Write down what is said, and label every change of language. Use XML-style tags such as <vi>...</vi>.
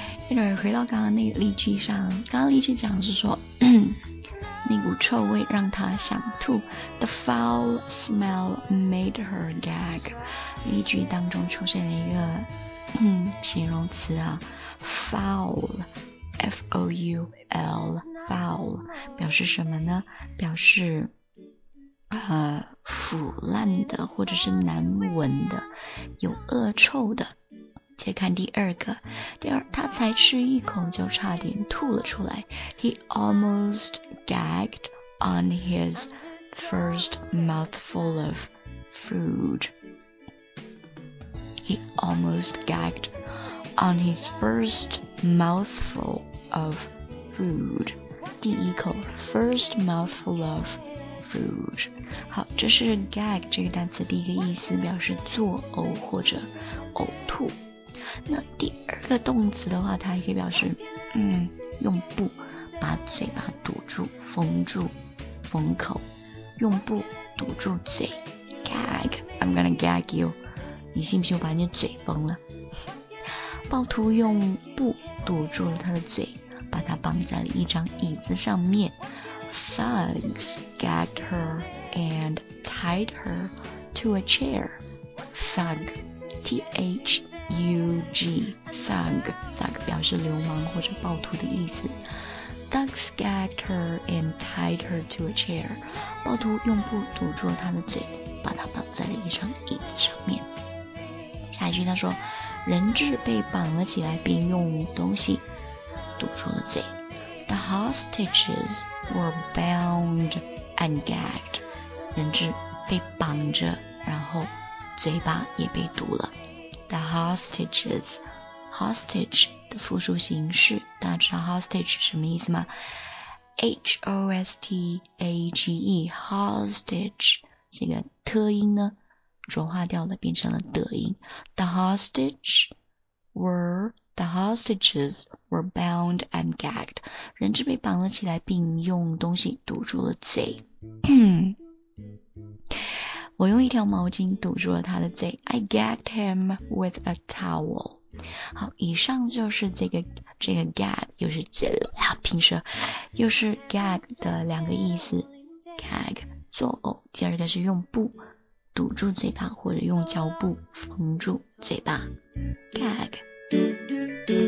<zh>Anyway， 回到刚刚那个例句上，刚刚例句讲的是说那股臭味让他想吐。</zh> <en>The foul smell made her gag，</en> <zh>例句当中出现了一个形容词啊， foul， F-O-U-L， foul 表示什么呢？表示腐烂的或者是难闻的，有恶臭的。且看第二个，第二，他才吃一口就差点吐了出来。</zh> <en>He almost gagged on his first mouthful of food. He almost gagged on his first mouthful of food.</en> <zh>第一口</zh> <en>，first mouthful of food.</en> <zh>好，这是 gag 这个单词第一个意思，表示作呕或者呕吐。那第二个动词的话，它也可以表示用布把嘴巴堵住，封住封口，用布堵住嘴 gag，</zh> <en>I'm gonna gag you，</en> <zh>你信不信我把你的嘴封了。暴徒用布堵住了他的嘴，把他绑在了一张椅子上面。</zh> <en>Thugs gagged her and tied her to a chair.</en> <zh>Thug T-H-U-G Thug Thug 表示流氓或者暴徒的意思。</zh> <en>Thugs gagged her and tied her to a chair.</en> <zh>暴徒用布堵住了他的嘴，把他绑在了一张椅子上面。下一句他说人质被绑了起来，并用东西堵住了嘴。</zh> <en>The hostages were bound and gagged.</en> <zh>人质被绑着，然后嘴巴也被堵了。</zh> <en>The hostages，</en> <zh>hostage 的复数形式，大家知道 hostage 什么意思吗？ H-O-S-T-A-G-E hostage 这个特音呢浊化掉了，变成了德音。</zh> <en>The hostages were bound and gagged，</en> <zh>人质被绑了起来，并用东西堵住了嘴。我用一条毛巾堵住了他的嘴。</zh> <en>I gagged him with a towel.</en> <zh>好，以上就是这个 gag， 又是平舌，又是 gag 的两个意思。 gag 作呕，第二个是用布堵住嘴巴或者用胶布缝住嘴巴 gag。</zh>